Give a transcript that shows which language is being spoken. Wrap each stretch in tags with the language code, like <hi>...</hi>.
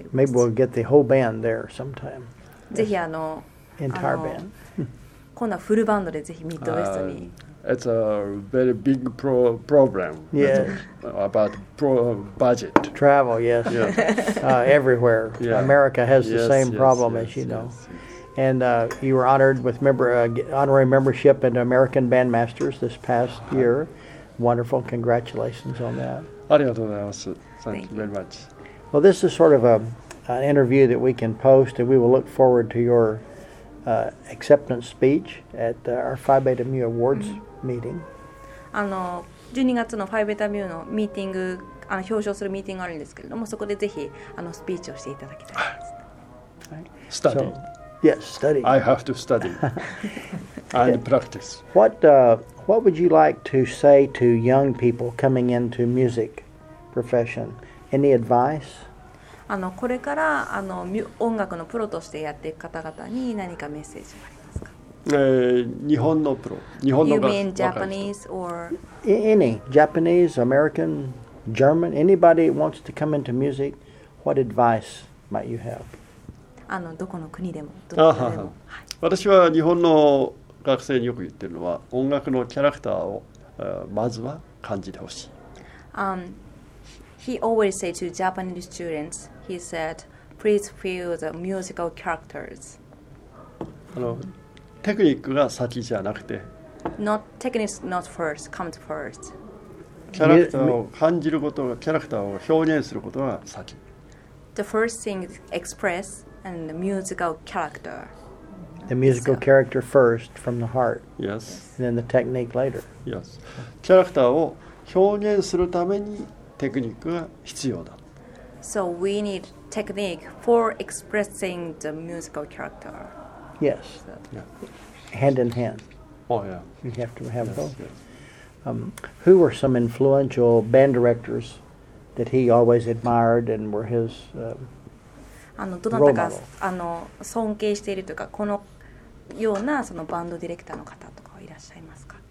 <en>Maybe we'll get the whole band there sometime.</en> <ja>ぜひあの、</ja> <en>Entire band.</en> <ja>今度はフルバンドでぜひミッドウェストに。</ja> <en>It's a very big problem. Yes. About budget. Travel, yes. Yeah. Everywhere. Yeah. America has the same problem, yes, as you know. Yes. And you were honored with honorary membership in American Bandmasters this past year. Wonderful. Congratulations on that.</en> <ja>ありがとうございます。</ja> <en>Thank you very much. Well, this is sort of an interview that we can post, and we will look forward to your acceptance speech at our Phi Beta Mu Awards meeting.</en> <ja>あの12月の Phi Beta Mu のミーティング、あの表彰するミーティングがあるんですけれども、そこでぜひあのスピーチをしていただきたいです。</ja> <en>Study. Yes, study. I have to study and practice. What would you like to say to young people coming into music profession? Any advice?</en> <ja>あのこれからあの音楽のプロとしてやっていく方々に何かメッセージはありますか？日本のプロ、日本の</ja> <en>You mean Japanese or any Japanese, American, German, anybody wants to come into music, what advice might you have?</en> <ja>あのどこの国でも、どこでも、はい。私は日本の学生によく言ってるのは、音楽のキャラクターをまずは感じてほしい。</ja> <en>He always said to Japanese students, he said, please feel the musical characters.</en> <ja>あの、テクニックが先じゃなくて。</ja> <en>Not technique, not first, comes first.</en> <ja>キャラクターを感じることが、キャラクターを表現することが先。</ja> <en>The first thing is express and the musical character. The musical character first from the heart. Yes. And then the technique later. Yes.</en> <ja>キャラクターを表現するためにテクニックが必要だ。</ja> <en>So we need technique for expressing the musical character. Yes.、 So. Yeah. Hand in hand. Oh yeah. You have to have both. Yes, yes. Who were some influential band directors that he always admired and were his</en> <ja>あのどなたがあの尊敬しているというかこのようなそのバンドディレクターの方とかいらっしゃいますか？</ja>